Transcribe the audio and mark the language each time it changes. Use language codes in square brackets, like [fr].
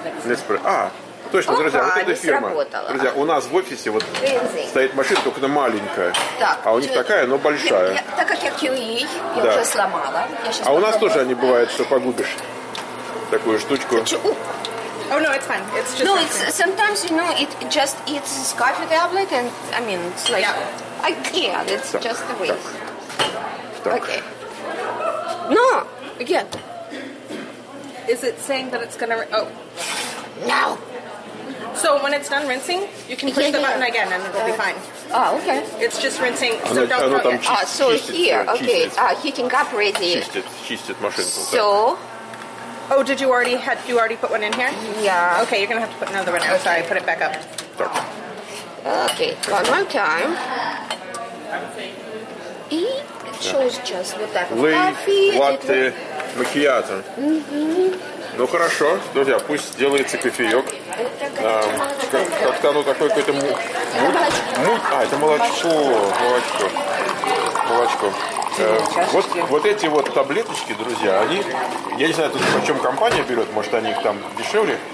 [ru] Неспрессо. А, точно. Опа, друзья, вот эта фирма. Сработала. Друзья, у нас в офисе вот стоит машина, только она маленькая. Так, а у них такая, но большая. Я, так как я QA, я уже сломала. Я а попробую. У нас тоже они бывают, что погубишь такую штучку. [en] Oh no, it's fine. It's just no, it's fine. Sometimes you know it just it's a coffee tablet and I mean it's like yeah. I can't, yeah, it's [ru] так, [en] just the way. Okay. No, again. Is it saying that it's gonna oh no. So when it's done rinsing, you can push the button again and it'll be fine. Oh, okay. It's just rinsing, so don't throw it. So here, okay, heating up ready. [ru] Чистит машинку. [en] So Oh, did you already you already put one in here? Yeah. Okay, you're gonna have to put another one. Oh, sorry, put it back up. Okay, one more time. He chose just with that coffee. Latte macchiato. [ru] Ну хорошо, друзья, пусть делается кофеек. Как-то оно такое какое-то муть. А, это молочко. Вот эти вот таблеточки, друзья, они, я не знаю, тут почем компания берет, может, они их там дешевле.